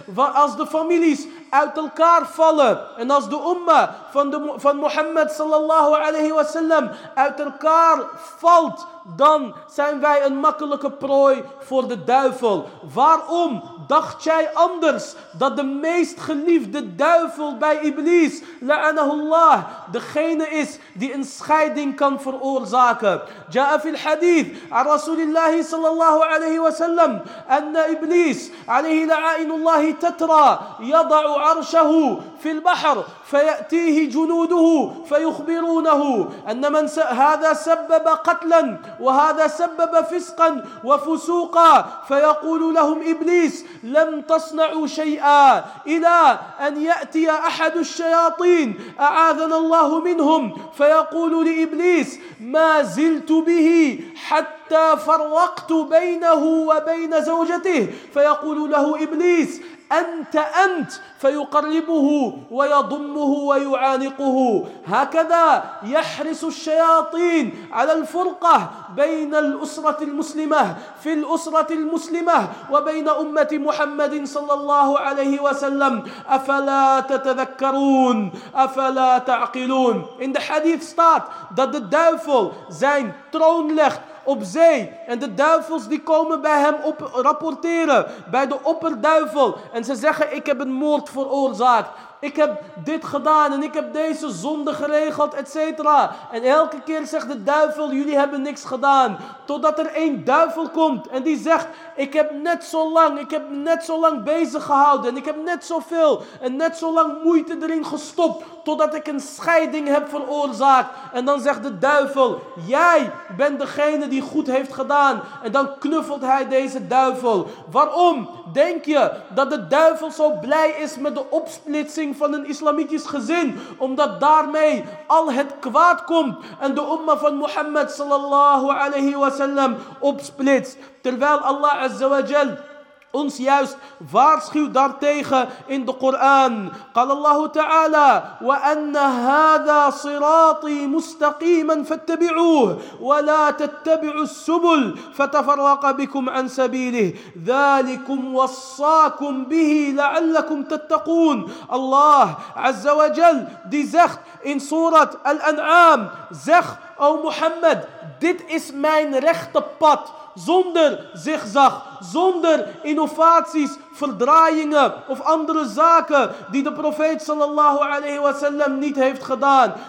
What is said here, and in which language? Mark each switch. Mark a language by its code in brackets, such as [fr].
[nl] Want als de families uit elkaar vallen en als de umma van Mohammed sallallahu alayhi wa sallam uit elkaar valt, dan zijn wij een makkelijke prooi voor de duivel. Waarom dacht jij anders dat de meest geliefde duivel bij Iblis, la'anahullah, degene is die een scheiding kan veroorzaken? [ar] Ja'a fil hadith aan Rasulullah sallallahu alayhi wa sallam, anna Iblis alayhi la'ainullahi tatra yada'u arshahu fil bahar فيأتيه جنوده فيخبرونه أن من هذا سبب قتلا وهذا سبب فسقا وفسوقا فيقول لهم إبليس لم تصنعوا شيئا إلى أن يأتي أحد الشياطين أعاذنا الله منهم فيقول لإبليس ما زلت به حتى فرقت بينه وبين زوجته فيقول له إبليس أنت أنت فيقربه ويضمه ويعانقه. هكذا يحرص الشياطين على الفرقة بين الأسرة المسلمة في الأسرة المسلمة وبين أمة محمد صلى الله عليه وسلم. أفلا تتذكرون أفلا تعقلون. [en] In the hadith start that the devil [nl] zijn troon legt op zee en de duivels die komen bij hem op rapporteren bij de opperduivel en ze zeggen: ik heb een moord veroorzaakt, ik heb dit gedaan en ik heb deze zonde geregeld, et cetera. En elke keer zegt de duivel: jullie hebben niks gedaan. Totdat er één duivel komt en die zegt: ik heb net zo lang bezig gehouden en ik heb net zoveel en net zo lang moeite erin gestopt totdat ik een scheiding heb veroorzaakt. En dan zegt de duivel: jij bent degene die goed heeft gedaan. En dan knuffelt hij deze duivel. Waarom denk je dat de duivel zo blij is met de opsplitsing van een islamitisch gezin? Omdat daarmee al het kwaad komt en de umma van Mohammed sallallahu alayhi wa sallam opsplitst. Terwijl Allah azza wa jal ons juist waarschuwt daartegen in de Koran. [ar] قال الله تعالى وأن هذا صراطي مستقيما فاتبعوه ولا تتبعوا السبل فتفرق بكم عن سبيله ذلكم وصاكم به لعلكم تتقون. [nl] الله عز وجل دي زخت in Surat al-An'am zegt: O Mohammed, dit is mijn rechte pad. Zonder zigzag, zonder innovaties, verdraaiingen of andere zaken die de profeet sallallahu alayhi wa sallam niet heeft gedaan.